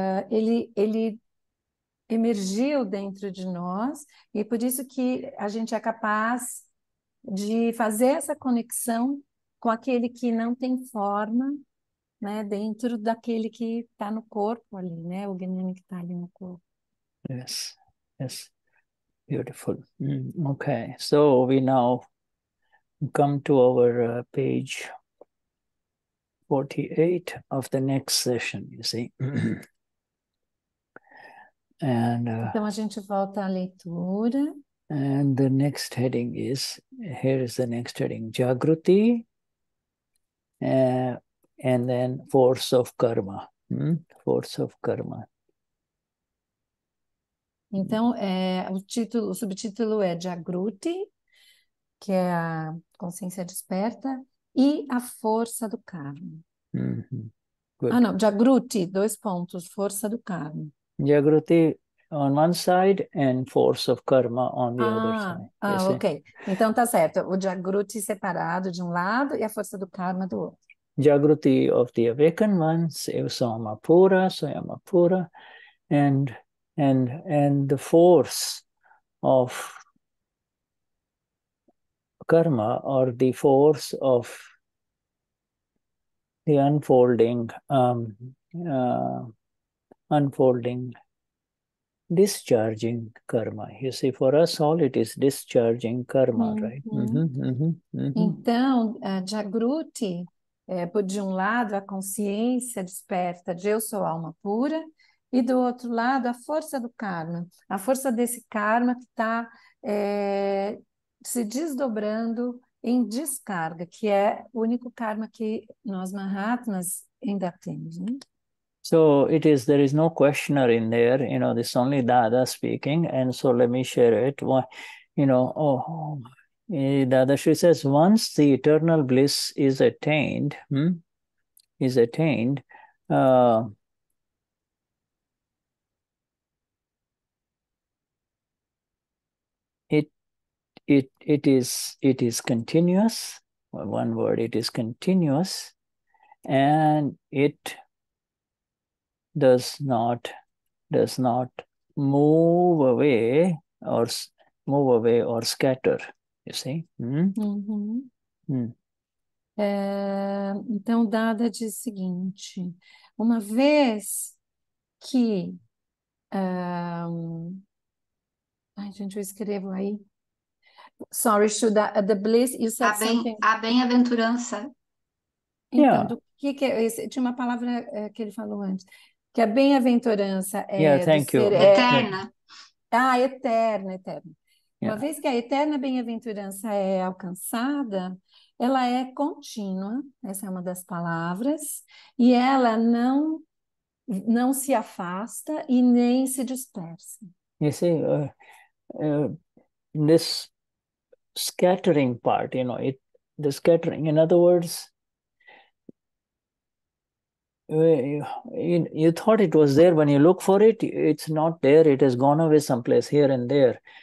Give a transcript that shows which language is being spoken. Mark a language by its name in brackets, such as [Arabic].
[Portuguese] Ele emergiu dentro de nós e por isso que a gente é capaz de fazer essa conexão com aquele que não tem forma, né, dentro daquele que está no corpo ali, né, o Gnani que está ali no corpo. [English] Yes, yes, beautiful. Okay, so we now come to our page 48 of the next session, you see. And [Portuguese] então a gente volta à leitura. [English] And the next heading is, here is the next heading, Jagruti, and then Force of Karma. Force of Karma. [Portuguese] Então, o subtítulo é Jagruti, que é a consciência desperta, e a força do karma. Ah, não, Jagruti, dois pontos, força do karma. [English] Jagruti on one side and force of karma on the other side. [Portuguese] Ah, ok. Então tá certo. O Jagruti separado de um lado e a força do karma do outro. [English] Jagruti of the awakened ones, [Portuguese] eu sou uma pura, soyama pura, [English] and the force of karma or the force of the unfolding, discharging karma. You see, for us all, it is discharging karma, right? [Portuguese] Então, Jagruti, de um lado, a consciência desperta de eu sou alma pura, e do outro lado, a força do karma, a força desse karma que está se desdobrando em descarga, que é o único karma que nós Mahatmas ainda temos, né? [English] So it is, there is no questioner in there, you know, this is only Dada speaking, and so let me share it. You know, Dadashri says, once the eternal bliss is attained, it is continuous. One word, it is continuous, and it does not move away or move away or scatter, you see. [Portuguese] Então Dada diz o seguinte: uma vez que ai, gente, eu escrevo aí. [English] Sorry, Shuddha, the bliss, you said something. [Portuguese] A bem-aventurança. Então, [English] yeah. [Portuguese] Do que é? Tinha uma palavra que ele falou antes. Que a bem-aventurança [English] Yeah, [Portuguese] é do [English] thank you. [Portuguese] ser Eterna. eterna, eterna. Uma vez que a eterna bem-aventurança é alcançada, ela é contínua, essa é uma das palavras, e ela não se afasta e nem se dispersa. [English] You see, this scattering part, the scattering, in other words, you thought it was there. When you look for it, it's not there. It has gone away someplace here and there.